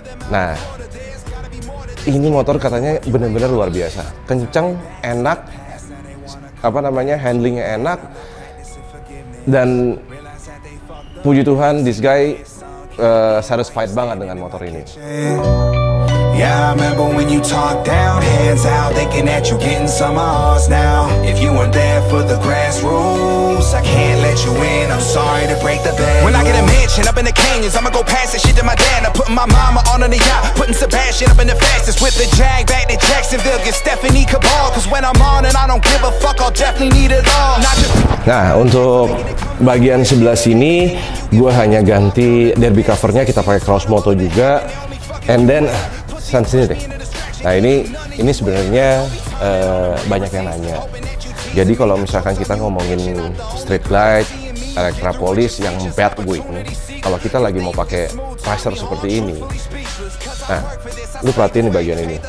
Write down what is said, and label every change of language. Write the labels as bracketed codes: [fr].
[id] Nah ini motor katanya benar-benar luar biasa, kencang, enak, handlingnya enak, dan puji Tuhan [en] this guy satisfied [id] banget dengan motor ini. [en] Yeah, I remember when you talked down, hands out, thinking that you're getting some odds now. If you weren't there for the grassroots, I can't let you in, I'm sorry to break the bad. When I get a mansion up in the canyons, I'ma go pass that shit to my dad. I'm putting my mama on in the yacht, putting Sebastian up in the fastest. With the Jag back to Jacksonville, get Stephanie Cabal. Cause when I'm on and I don't give a fuck, I'll definitely need it all. [id] Nah, untuk bagian sebelah sini, gua hanya ganti derby covernya, kita pakai cross moto juga. And then sini deh. Nah ini sebenarnya banyak yang nanya. Jadi kalau misalkan kita ngomongin street glide, Electra Police yang bad wing, kalau kita lagi mau pakai riser seperti ini, nah lu perhatiin di bagian ini.